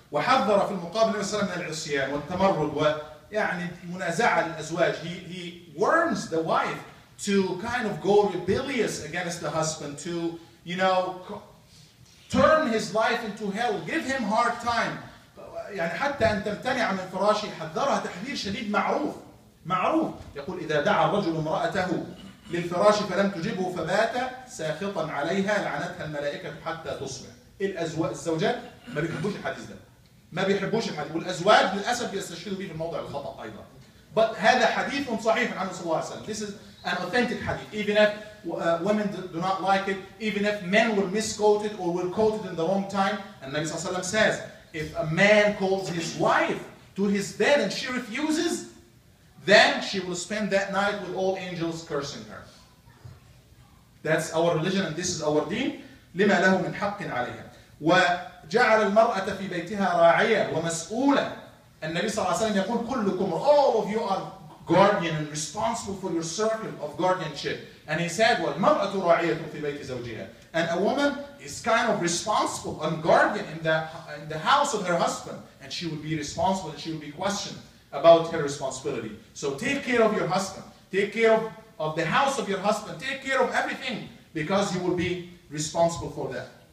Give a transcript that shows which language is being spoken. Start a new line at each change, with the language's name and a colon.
Arabic: وَحَذَّرَ فِي الْمُقَابِلِ وَسَلَمْ مِنَ الْعُسْيَانِ وَالْتَمَرُّدْ وَيَعْنِ مُنَازَعَ الْأَزْوَاجِ.
English: He warns the wife to kind of go rebellious against the husband, to, you know, turn his life into hell, give him hard time.
Arabic: يعني حتى أن تمتنع من فراشه حذرها تحذير شديد معروف. معروف. يقول إذا دعا الرجل امرأته للفراش فلم تجبه فبات ساخطا عليها لعنتها الملائكة حتى تصبح. الزوجات ما بيحبوش الحديث ده. ما بيحبوش الحديث. والأزواج للأسف يستشهدوا به في الموضع الخطأ أيضا.
English: But
Arabic: هذا حديث صحيح عنه صلى الله عليه وسلم.
English: This is an authentic hadith. Even if women do not like it, even if men will misquote it or will quote it in the wrong time. And Nabi Sallallahu Alaihi Wasallam says, if a man calls his wife to his bed and she refuses, then she will spend that night with all angels cursing her. That's our religion and this is our deen.
Arabic: لِمَا لَهُ مِنْ حَقٍ عَلَيْهَا وَجَعَلَ الْمَرْأَةَ فِي بَيْتِهَا رَاعِيَةً وَمَسْؤُولًا.
English: And Nabi Sallallahu Alaihi Wasallam
Arabic: يقول كلكم,
English: all of you are guardian and responsible for your circle of guardianship. And he said,
Arabic: وَالْمَرْأَةُ رَاعِيَةٌ فِي بَيْتِ زَوْجِهَا.
English: And a woman is kind of responsible and guardian in the house of her husband. And she would be responsible and she would be questioned about her responsibility. So take care of your husband. Take care of the house of your husband. Take care of everything because you will be responsible for that.